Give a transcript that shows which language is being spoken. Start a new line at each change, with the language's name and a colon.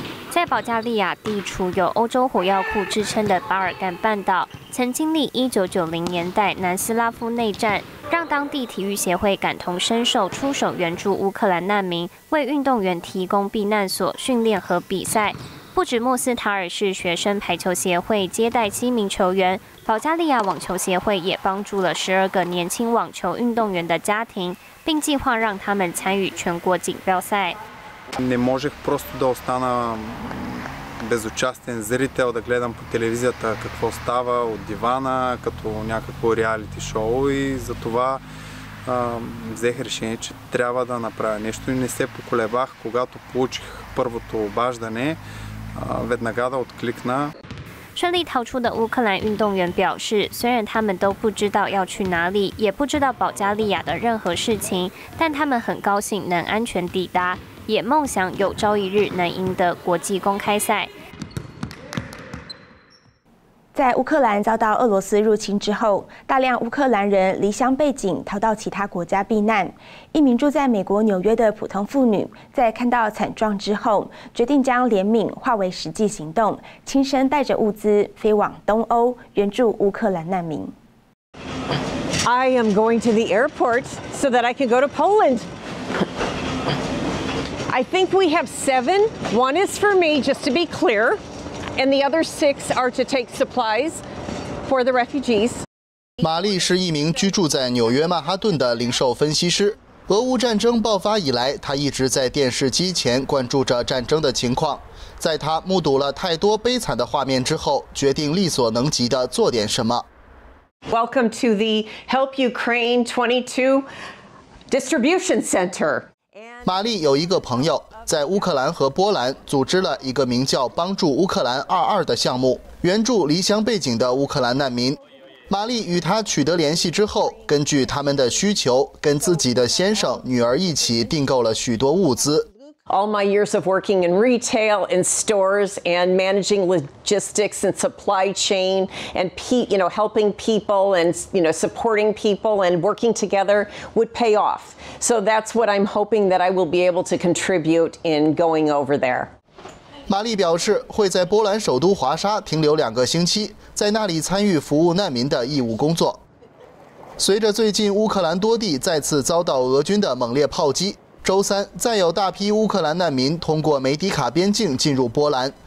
Chinese: 在保加利亚地处有欧洲火药库之称的巴尔干半岛，曾经历1990年代南斯拉夫内战，让当地体育协会感同身受，出手援助乌克兰难民，为运动员提供避难所、训练和比赛。不止莫斯塔尔市学生排球协会接待七名球员，保加利亚网球协会也帮助了12个年轻网球运动员的家庭，并计划让他们参与全国锦标赛。
Bulgarian: Не можех просто да остана безучастен зрител, да гледам по телевизията какво става от дивана, като някакво реалити шоу и затова взех решение, че трябва да направя нещо и не се поколебах, когато получих първото обаждане, веднага да откликна.
Chinese: 顺利逃出的乌克兰运动员表示，虽然他们都不知道要去哪里，也不知道保加利亚的任何事情，但他们很高兴能安全抵达，也梦想有朝一日能赢得国际公开赛。在乌克兰遭到俄罗斯入侵之后，大量乌克兰人离乡背井逃到其他国家避难。一名住在美国纽约的普通妇女，在看到惨状之后，决定将怜悯化为实际行动，亲身带着物资飞往东欧援助乌克兰难民。
English: I am going to the airport so that I can go to Poland. I think we have 7. One is for me, just to be clear. And the other 6 are to take supplies for the refugees.
Chinese: 玛丽是一名居住在纽约曼哈顿的零售分析师。俄乌战争爆发以来，她一直在电视机前关注着战争的情况。在她目睹了太多悲惨的画面之后，决定力所能及地做点什么。
English: Welcome to the Help Ukraine 22 Distribution Center.
Chinese: 玛丽有一个朋友在乌克兰和波兰组织了一个名叫帮助乌克兰22的项目，援助离乡背井的乌克兰难民。玛丽与他取得联系之后，根据他们的需求，跟自己的先生女儿一起订购了许多物资。
English: All my years of working in retail and stores and managing logistics and supply chain and helping people and supporting people and working together would pay offSo that's what I'm hoping that I will be able to contribute in going over there.
Chinese: 玛丽表示会在波兰首都华沙停留两个星期，在那里参与服务难民的义务工作。随着最近乌克兰多地再次遭到俄军的猛烈炮击，周三再有大批乌克兰难民通过梅迪卡边境进入波兰。